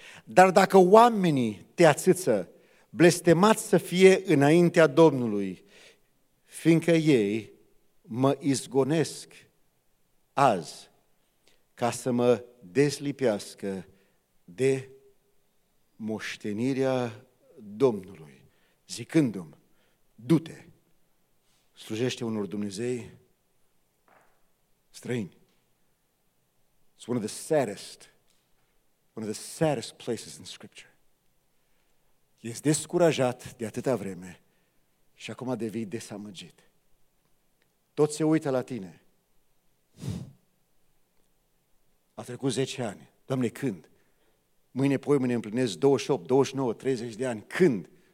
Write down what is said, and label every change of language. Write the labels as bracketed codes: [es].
[ro] Dar dacă oamenii te atâță, blestemați să fie înaintea Domnului, fiindcă ei mă izgonesc azi ca să mă deslipească de moștenirea Domnului, zicându-mi: du-te, slujește unor dumnezei străini. [en] It's one of the saddest places in Scripture. [ro] Ești descurajat de atâta vreme și acum devii desamăgit. Tot se uită la tine. A trecut 10 ani. Doamne, când? Mâine, poimâine împlinesc 28, 29, 30 de ani. Când?